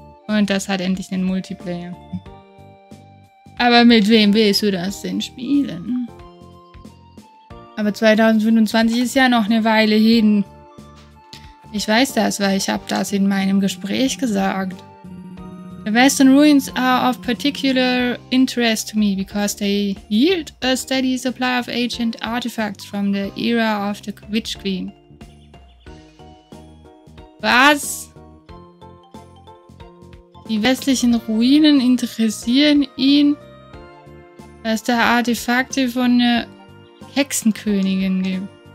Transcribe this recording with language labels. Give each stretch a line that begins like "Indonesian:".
German: Und das hat endlich einen Multiplayer. Aber mit wem willst du das denn spielen? Aber 2025 ist ja noch eine Weile hin. Ich weiß das, weil ich habe das in meinem Gespräch gesagt.
English: The Western Ruins are of particular interest to me because they yield a steady supply of ancient artifacts from the era of the Witch Queen.
German: Was? Die westlichen Ruinen interessieren ihn, weil es da Artefakte von der Hexenkönigin gibt.